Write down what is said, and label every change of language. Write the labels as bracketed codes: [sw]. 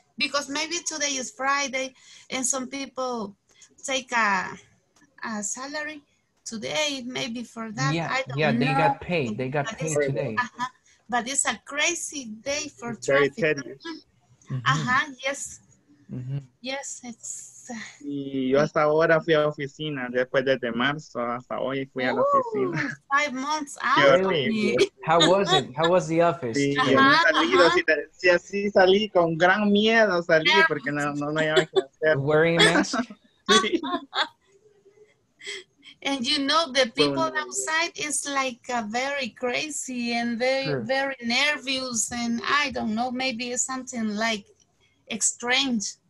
[en] Because maybe today is Friday and some people take a salary today, maybe for that. Yeah, I don't yeah know. They got paid. They got paid today. Uh-huh. But it's a crazy day for traffic. Very tedious. Uh-huh, yes. Yes, it's... [es] Y yo hasta ahora fui a la oficina, después desde marzo hasta hoy fui a la oficina. [en] 5 months out. Really? How was it? How was the office? [es] Sí, sí, así salí con gran miedo, salí porque no había que hacer. [en] Wearing a mask? And you know, the people outside is like very crazy and very, sure. very nervous. And I don't know, maybe it's something like strange.